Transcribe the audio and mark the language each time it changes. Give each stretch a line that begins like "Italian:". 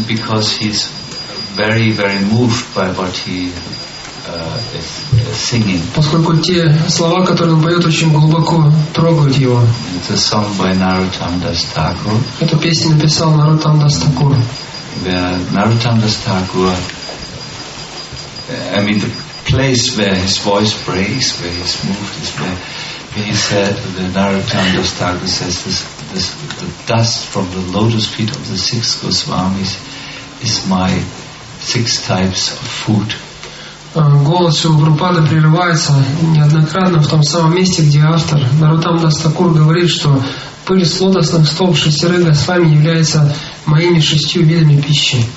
English: Because he's very, very moved by what he is singing.
Russian: Поскольку те слова, которые он поет, очень глубоко трогают его.
English: It's a song by Narottamdas Thakur.
Russian: Эту песню написал Narottamdas Thakur.
English: Narottamdas Thakur. I mean, the place where his voice breaks, where he's moved, is where he said, the Narottamdas Thakur says, the dust from the lotus feet of the six Goswamis is my six types of food.
Russian: Голос у Прабхупады прерывается неоднократно в том самом месте, где автор Narottamdas Thakur говорит, что пыль с лотосных стоп шестерых с вами является моими шестью видами пищи.